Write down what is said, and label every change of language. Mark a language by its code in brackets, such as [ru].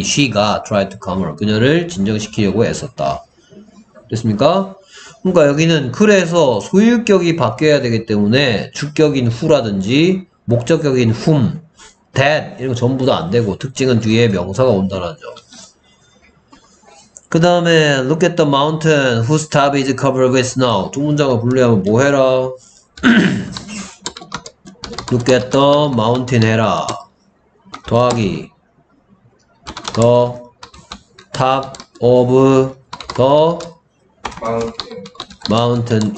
[en] She가 tried to calm her. [ko] 그녀를 진정시키려고 애썼다. 됐습니까? 그러니까 여기는 그래서 소유격이 바뀌어야 되기 때문에 주격인 who라든지 목적격인 whom, that 이런 거 전부 다 안 되고 특징은 뒤에 명사가 온다는 거죠. 그 다음에 [en] look at the mountain whose top is covered with snow. [ko] 두 문장을 분리하면 뭐 해라? [en] look at the mountain [ko] 해라. 더하기 [en] the top of the mountain